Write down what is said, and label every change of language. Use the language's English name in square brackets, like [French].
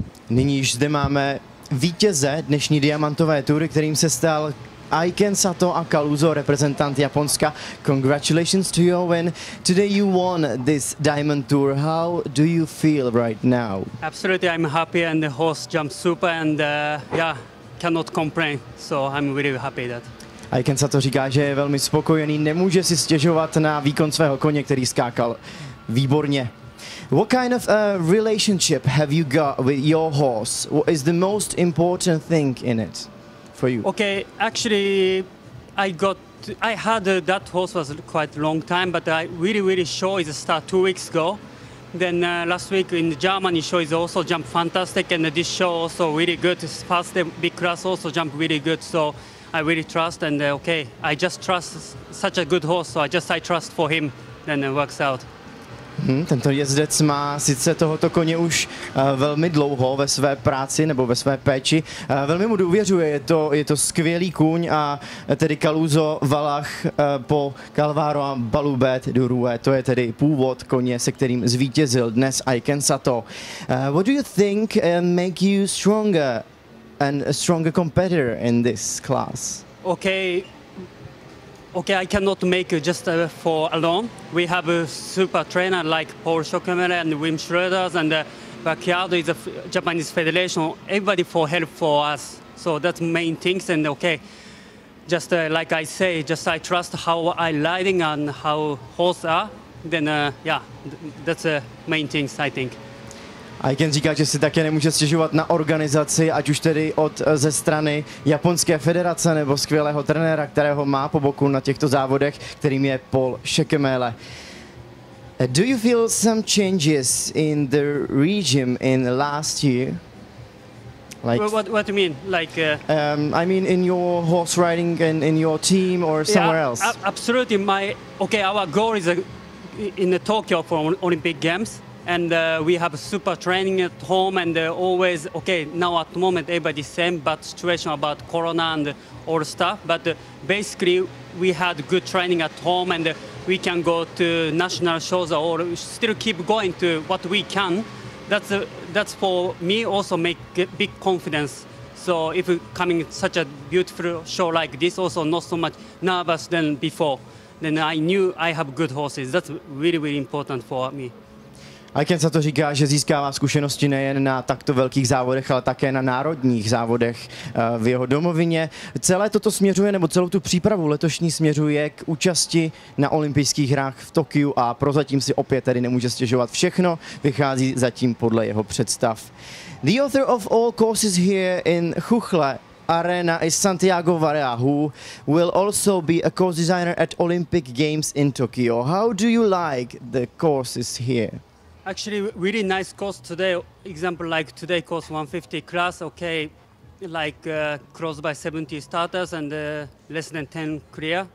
[Czech] Nyní již zde máme vítěze dnešní diamantové tury, kterým se stal Eiken, Sato a Kaluzo, reprezentant Japonska. [English] Congratulations to your win. Today you won this diamond tour. How do you feel right now? Absolutely, I'm happy and the horse jumped super and yeah, cannot complain. So I'm really happy that. [Czech] Eiken Sato říká, že je velmi spokojený, nemůže si stěžovat na výkon svého koně, který skákal výborně. [English] What kind of a relationship have you got with your horse? What is the most important thing in it for you? Okay, actually, I had that horse was quite long time, but I really, really show is start 2 weeks ago. Then last week in the Germany show is also jump fantastic, and this show also really good. It's past the big class also jump really good. So I really trust, and okay, I just trust such a good horse. So I trust for him, then it works out. [Czech] Tento jezdec má sice tohoto koně už velmi dlouho ve své práci nebo ve své péči. Velmi mu důvěřuje, je to skvělý kůň a tedy Kaluzo Valach po Calvaro a Balubet du Rue. To je tedy původ koně, se kterým zvítězil dnes Eiken Sato. [English] What do you think make you stronger and a stronger competitor in this class? Okay, I cannot make it just for alone. We have a super trainer like Paul Schockemere and Wim Schroeders, and Bakiado is a Japanese federation. Everybody for help for us. So that's main things. And okay, just like I say, just I trust how I riding and how horse are. Then yeah, that's the main things I think. [Czech] Eiken říká, že si také nemůže stěžovat na organizaci, ať už tedy ze strany Japonské federace nebo skvělého trenéra, kterého má po boku na těchto závodech, kterým je Paul Schockemere. [English] Do you feel some changes in the regime in the last year? Like, what do you mean? Like, I mean, in your horse riding and in your team or somewhere yeah, else? Absolutely. Our goal is in the Tokyo for Olympic Games. And we have super training at home and always, okay, now at the moment everybody same bad situation about Corona and all stuff, but basically we had good training at home and we can go to national shows or still keep going to what we can. That's for me also make big confidence. So if coming such a beautiful show like this, also not so much nervous than before, then I knew I have good horses. That's really, really important for me. [Czech] Eiken Sato říká, že získává zkušenosti nejen na takto velkých závodech, ale také na národních závodech v jeho domovině. Celé toto směřuje, nebo celou tu přípravu letošní směřuje k účasti na olympijských hrách v Tokiu a prozatím si opět tedy nemůže stěžovat. Všechno vychází zatím podle jeho představ. [English] The author of all courses here in Chuchle Arena is Santiago Varela, who will also be a course designer at Olympic Games in Tokyo. How do you like the courses here? Actually, really nice course today. Example like today course 150 class, okay, like close by 70 starters and less than 10 clear.